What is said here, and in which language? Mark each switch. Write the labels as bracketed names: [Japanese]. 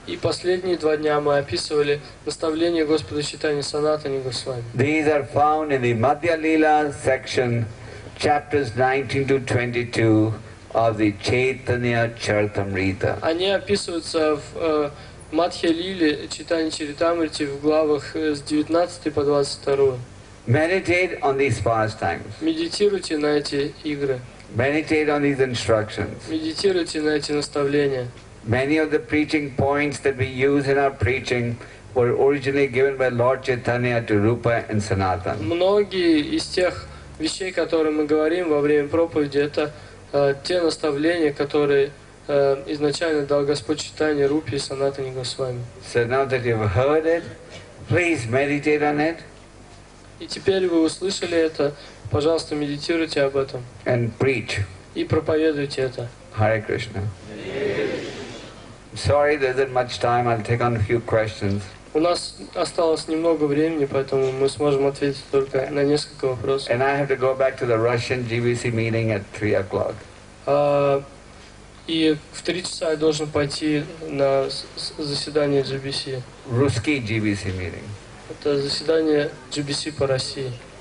[Russian] И последние 2 дня мы описывали наставление Господа Чайтаньи Санатаны Госвами. [English] These are found in the Madhya Lila section, chapters 19 to 22 of the Chaitanya Charitamrita. [Russian] Они описываются в Мадхья Лиле, Чайтанья Чаритамрите, в главах с 19 по 22. [English] Meditate on these pastimes. [Russian] Медитируйте на эти игры. [English] Meditate on these instructions. [Russian] Медитируйте на эти наставления. [English] Many of the preaching points that we use in our preaching were originally given by Lord Chaitanya to Rupa and Sanatana. [Russian] Многие из тех вещей, которые мы говорим во время проповеди, это те наставления, которые изначально дал Господь Чайтанья Рупе и Санатане Госвами. [English] So now that you've heard it, please meditate on it. [Russian] И теперь вы услышали это, пожалуйста, медитируйте об этом. [English] And preach. [Russian] И проповедуйте это. [English] Hare Krishna. Sorry, there isn't much time. I'll take on a few questions. [Russian] У нас осталось немного времени, поэтому мы сможем ответить только на несколько вопросов. [English] And I have to go back to the Russian GBC meeting at 3 o'clock. [Russian] И в 3 часа я должен пойти на заседание GBC. Русский [English] GBC meeting. [Russian] Это заседание GBC по России.